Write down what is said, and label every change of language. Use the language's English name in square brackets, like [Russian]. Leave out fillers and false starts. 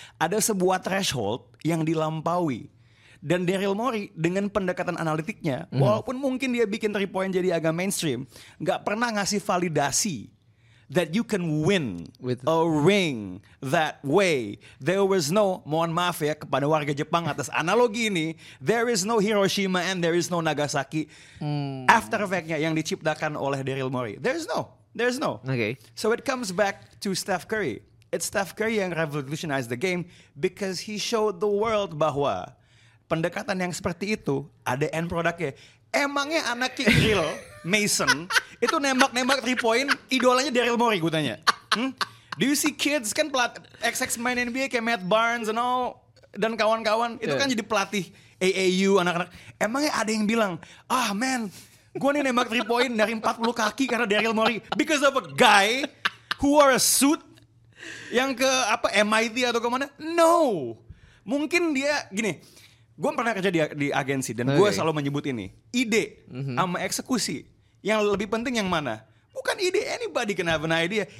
[Indonesian] Ada sebuah threshold yang dilampaui. Dan Daryl Morey dengan pendekatan analitiknya, walaupun mungkin dia bikin 3 point jadi agak mainstream, gak pernah ngasih validasi [English] that you can win with a ring that way. There was no, [Indonesian] mohon maaf ya kepada warga Jepang atas analogi ini, [English] there is no Hiroshima and there is no Nagasaki. [Indonesian] After effect-nya yang diciptakan oleh Daryl Morey. [English] There is no. Okay. So it comes back to Steph Curry. It's Steph Curry [Indonesian] yang [English] revolutionized the game because he showed the world [Indonesian] bahwa pendekatan yang seperti itu ada end product-nya. Emangnya anak kikil Mason itu nembak-nembak 3 point idolanya Daryl Morey, gue tanya. [English] Do you see kids [Indonesian] kan pelat XX main NBA kayak Matt Barnes [English] and all [Indonesian] dan kawan-kawan itu kan jadi pelatih AAU anak-anak. Emangnya ada yang bilang, "Ah, oh, man, gue nih nembak 3 point dari 40 kaki karena Daryl Morey [English] because of a guy who wore a suit [Indonesian] yang ke apa MIT atau kemana?" No. Mungkin dia gini. Gue pernah kerja di agensi dan gue selalu menyebut ini. Ide sama eksekusi. Yang lebih penting yang mana? Bukan ide, [English] anybody can have an idea.